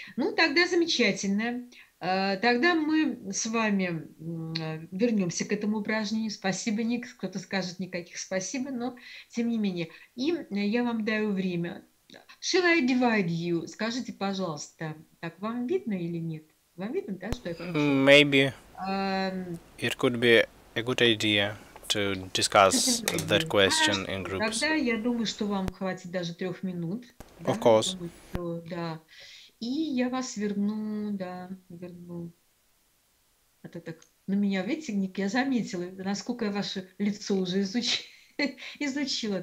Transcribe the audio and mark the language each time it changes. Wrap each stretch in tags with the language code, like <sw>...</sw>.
<ru>Ну, тогда замечательно. Тогда мы с вами вернемся к этому упражнению. Спасибо, Ник. Кто-то скажет никаких спасибо, но тем не менее. И я вам даю время.</ru> <en>Shall I divide you?</en> <ru>Скажите, пожалуйста, так вам видно или нет? Вам видно, да, что я прошу?</ru> <en>Maybe. It could be a good idea to discuss that question in groups.</en> <ru>Тогда я думаю, что вам хватит даже 3 минут.</ru> <en>Of course.</en> <ru>Что, да. И я вас верну, да, верну. Это так. На меня, видите, Ник, я заметила, насколько я ваше лицо уже изучила.</ru>